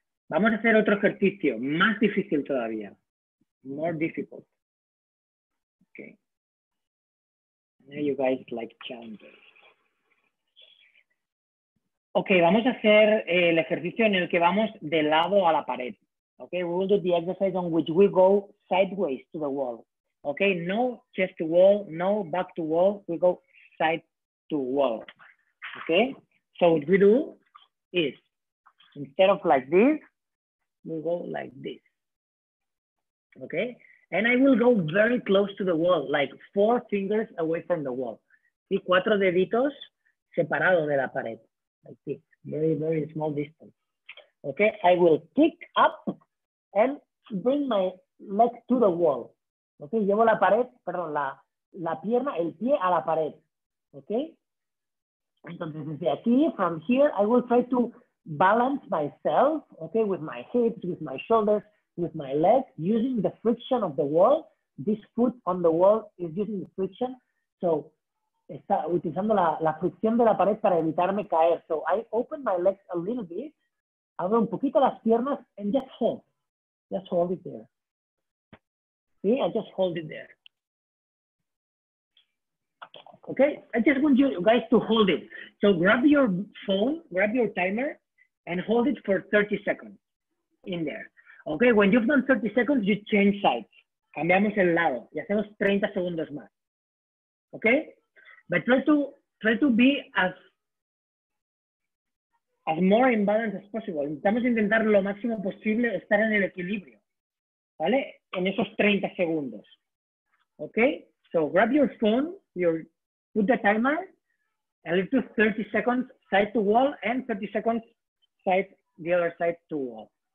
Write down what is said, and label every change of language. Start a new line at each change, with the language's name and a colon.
Spanish: Vamos a hacer otro ejercicio, más difícil todavía.
English: More difficult.
Spanish: Okay.
English: I know you guys like challenges.
Spanish: Ok, vamos a hacer el ejercicio en el que vamos de lado a la pared.
English: Ok, we will do the exercise on which we go sideways to the wall. Ok, no chest to wall, no back to wall, we go side to wall. Ok, so what we do is, instead of like this, we go like this. Ok, and I will go very close to the wall, like four fingers away from the wall.
Spanish: Sí, cuatro deditos separados de la pared.
English: Like this, very, very small distance. Okay, I will kick up and bring my leg to the wall.
Spanish: Okay, llevo la pared, perdón, la pierna, el pie a la pared.
English: Okay,
Spanish: entonces desde aquí,
English: from here, I will try to balance myself, okay, with my hips, with my shoulders, with my legs, using the friction of the wall. This foot on the wall is using the friction.
Spanish: So, está utilizando la fricción de la pared para evitarme caer.
English: So I open my legs a little bit,
Spanish: abro un poquito las piernas,
English: and just hold it there. See, I just hold it there. Okay, I just want you guys to hold it. So grab your phone, grab your timer, and hold it for 30 seconds in there. Okay, when you've done 30 seconds, you change sides.
Spanish: Cambiamos el lado y hacemos 30 segundos más.
English: Okay? But try to be as more in balance as possible.
Spanish: Intentamos intentar lo máximo posible estar en el equilibrio, ¿vale? En esos 30 segundos. Okay?
English: So grab your phone, put the timer, and it's 30 seconds side to wall and 30 seconds side the other side to wall.